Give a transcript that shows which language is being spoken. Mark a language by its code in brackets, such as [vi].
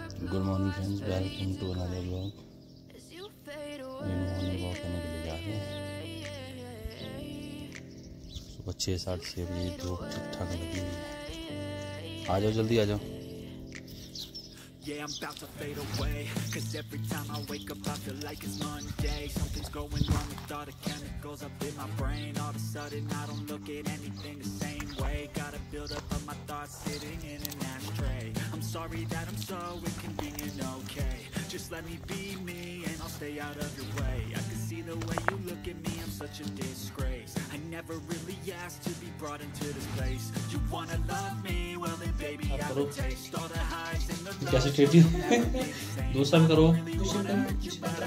[en] Good morning friends, welcome to another vlog. [hi] Morning walk करने के लिए जा रहे हैं, 6:30 बजे धूप ठीक ठाक लगी हुई है। आ जाओ जल्दी आ जाओ। [en] Yeah, I'm about to fade away. Cause every time I wake up, I feel like it's Monday. Something's going wrong with all the chemicals up in my brain. All of a sudden, I don't look at anything the same way. Gotta build up of my thoughts sitting in an ashtray. I'm sorry that I'm so inconvenient, okay. Just let me be me and I'll stay out of your way. I can see the way you look at me, I'm such a disgrace. I never really asked to be brought into this place. You wanna love me? Well then baby, I will taste all the highs and the lows. कैसे treat you दूसरा भी करो